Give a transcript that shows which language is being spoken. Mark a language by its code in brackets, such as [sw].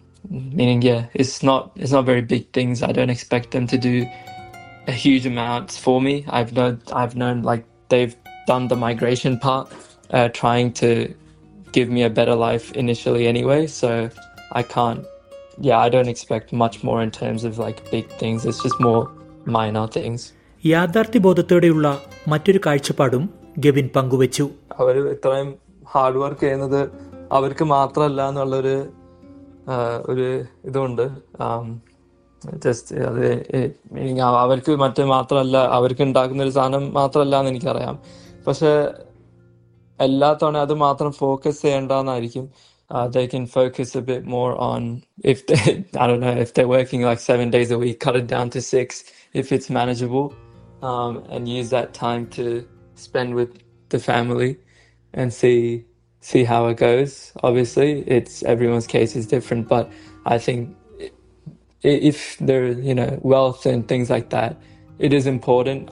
[en] Meaning, yeah, it's not very big things. I don't expect them to do a huge amount for me. I've known like they've done the migration part, trying to give me a better life initially anyway, so I don't expect much more in terms of like big things. It's just more minor things. [ml] യാഥാർത്ഥ്യ ബോധത്തോടെയുള്ള മറ്റൊരു കാഴ്ചപ്പാടും Gavin പങ്കുവെച്ചു. അവർ ഇത്രയും hard work ചെയ്യുന്നത് അവർക്ക് മാത്രമല്ല എന്നുള്ളൊരു ഒരു ഇതുണ്ട്. ജസ്റ്റ് അത് മീനിങ് അവർക്ക് മറ്റു മാത്രമല്ല, അവർക്ക് ഉണ്ടാക്കുന്ന ഒരു സാധനം മാത്രമല്ല എന്ന് എനിക്കറിയാം. പക്ഷെ എല്ലാത്തവണ അത് മാത്രം focus ചെയ്യേണ്ടതെന്നായിരിക്കും. [en] They can focus a bit more on if they, I don't know, if they're working like 7 days a week, cut it down to six if it's manageable, and use that time to spend with the family and see how it goes. Obviously, it's everyone's case is different, but I think if there, wealth and things like that, it is important.